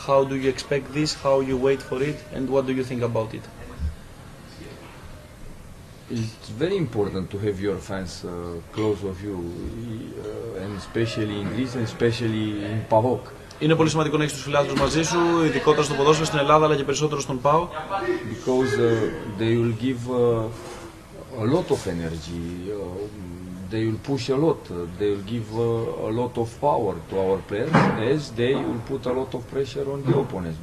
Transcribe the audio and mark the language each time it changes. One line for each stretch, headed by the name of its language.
English: How do you expect this? How you wait for it? And what do you think about it? It's very important to have your fans close of you, and especially in Greece and especially in PAOK.
Greek: Είναι πολύ σημαντικό να έχεις τους φιλάθλους μαζί σου, ειδικότερα στο ποδόσφαιρο στην Ελλάδα, αλλά και περισσότερο στον PAOK.
English: Because they will give a lot of energy. They will push a lot. They will give a lot of power to our players, as they will put a lot of pressure on the opponents.